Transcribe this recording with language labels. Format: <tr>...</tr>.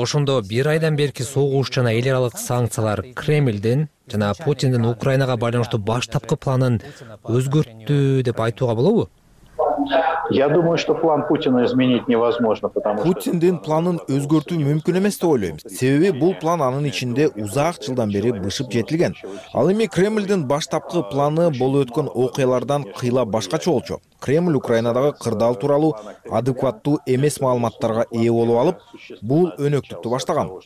<ky>Ошондо бир айдан берки согуш жана эл аралык санкциялар Кремлдин жана Путиндин Украинага байланыштуу баштапкы планын өзгөрттү деп айтууга болобу?</ky> <ru>Я думаю, что план Путина изменить невозможно, потому что</ru> <ky>Путиндин планын өзгөртүү мүмкүн эмес деп ойлойм. Себеби бул план анын ичинде узак жылдан бери бышып жетилген. Ал эми Кремлдин баштапкы планы болуп өткөн окуялардан кыйла башкача болчу. Кремль Украинадагы кырдаал тууралуу адекваттуу эмес маалыматтарга ээ болуп алып, бул өнөктүктү баштаган.</ky>